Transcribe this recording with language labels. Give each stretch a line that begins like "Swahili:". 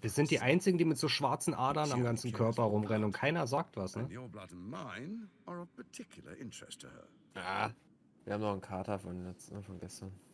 German: Wir sind die einzigen, die mit so schwarzen Adern am ganzen Körper rumrennen und keiner sagt was, ne?
English: Your blood and mine are of particular interest to her.
German: Ah, wir haben noch einen Kater von letzten, von gestern.